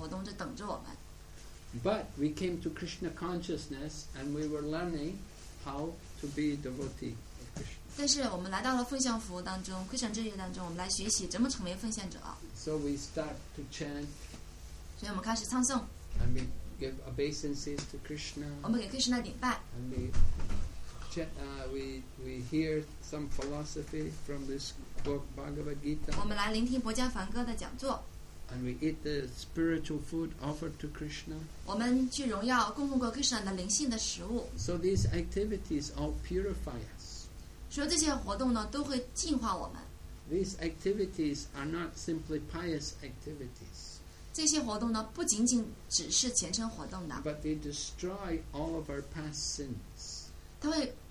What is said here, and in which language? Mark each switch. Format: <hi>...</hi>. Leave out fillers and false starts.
<zh>当然了，就是那些罪恶的活动在等着我们。</zh> <en>But we came to Krishna consciousness, and we were learning how to be a devotee of Krishna.</en> <zh>但是我们来到了奉献服务当中, Krishna 这些当中, 我们来学习怎么成为奉献者。</zh> <en>So we start to chant.</en> <zh>所以我们开始唱诵。</zh> <en>And we give obeisances to Krishna.</en> <zh>我们给Krishna礼拜。</zh> <en>And we hear some philosophy from this book, Bhagavad Gita.</en> <zh>我们来聆听佛家梵歌的讲座。</zh> <en>And we eat the spiritual food offered to Krishna.</en> <zh>我们去荣耀供奉过Krishna的灵性的食物。</zh> <en>So these activities all purify us.</en> <zh>说这些活动呢，都会净化我们。</zh> <en>These activities are not simply pious activities.</en> <zh>这些活动呢，不仅仅只是虔诚活动的。</zh> <en>But they destroy all of our past sins.</en>